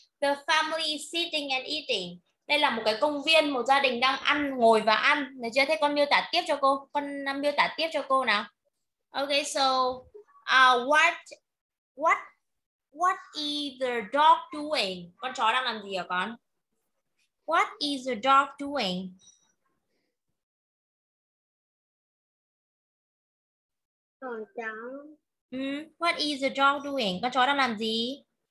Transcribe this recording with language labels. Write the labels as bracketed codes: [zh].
[en] The family is sitting and eating. [vi] Đây là một cái công viên, một gia đình đang ăn, ngồi và ăn. Được chưa? Thế con miêu tả tiếp cho cô. Con miêu tả tiếp cho cô nào. [en] Ok, so what is the dog doing? [vi] Con chó đang làm gì hả con? [en] What is the dog doing? [vi] Con chó. [en] What is the dog doing? [vi] Con chó đang làm gì?